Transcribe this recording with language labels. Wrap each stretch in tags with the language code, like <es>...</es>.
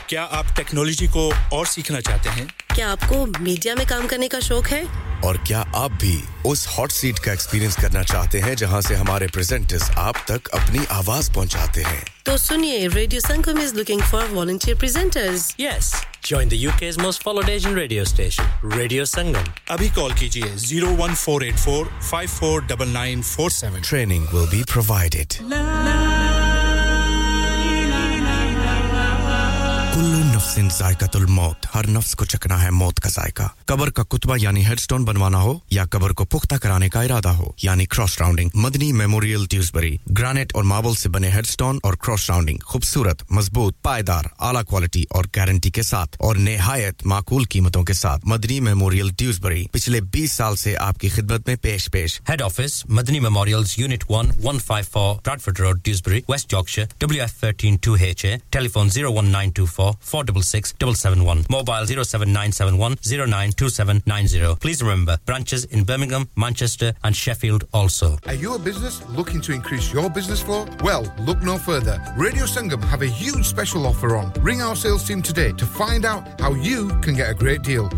<hi>क्या आप टेक्नोलॉजी को और सीखना चाहते हैं? क्या आपको मीडिया में काम करने का शौक है? और क्या आप भी उस हॉट सीट का एक्सपीरियंस करना चाहते हैं जहां से हमारे प्रेजेंटर्स आप तक अपनी आवाज पहुंचाते हैं? तो सुनिए,</hi> <en>Radio Sangam is looking for volunteer presenters. Yes, join the UK's most followed Asian radio station, Radio Sangam.</en> <hi>Abhi call kijiye 01484-549947.</hi> <en>Training will be provided.</en> <ar>सिन जायकतुल मौत,</ar> <hi>हर नफ्स को चखना है मौत का जायका। कब्र का कुतबा यानी हेडस्टोन बनवाना हो या कब्र को पुख्ता कराने का इरादा हो यानी cross rounding, Madani memorial Dewsbury granite और मार्बल से बने हेडस्टोन और क्रॉस राउंडिंग खूबसूरत, मजबूत, पायदार, आला क्वालिटी और गारंटी के साथ और نہایت معقول कीमतों के साथ। मदनी मेमोरियल ड्यूसबरी पिछले 20 साल से आपकी खिदमत में पेश। Head office Madani memorials, unit 1, 154 Bradford road, Dewsbury, West Yorkshire, WF13 2HA। Telephone 01924 466771, mobile 07971092790.</hi> <en>Please remember, branches in Birmingham, Manchester and Sheffield also. Are you a business looking to increase your business flow? Well, look no further. Radio Sangam have a huge special offer on. Ring our sales team today to find out how you can get a great deal.</en>